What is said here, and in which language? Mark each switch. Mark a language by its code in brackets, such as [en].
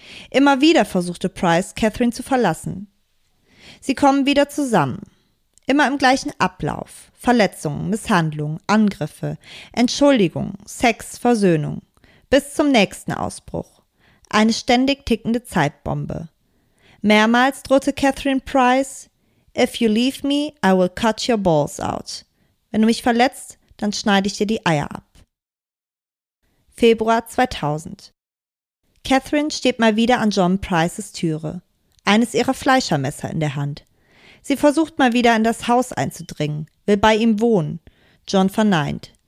[de] Immer wieder versuchte Price, Catherine zu verlassen. Sie kommen wieder zusammen. Immer im gleichen Ablauf. Verletzungen, Misshandlungen, Angriffe, Entschuldigung, Sex, Versöhnung. Bis zum nächsten Ausbruch. Eine ständig tickende Zeitbombe. Mehrmals drohte Catherine Price: [en] If you leave me, I will cut your balls out. [de] Wenn du mich verletzt, dann schneide ich dir die Eier ab. Februar 2000. Catherine steht mal wieder an John Prices Türe. Eines ihrer Fleischermesser in der Hand. Sie versucht mal wieder in das Haus einzudringen, will bei ihm wohnen. John verneint.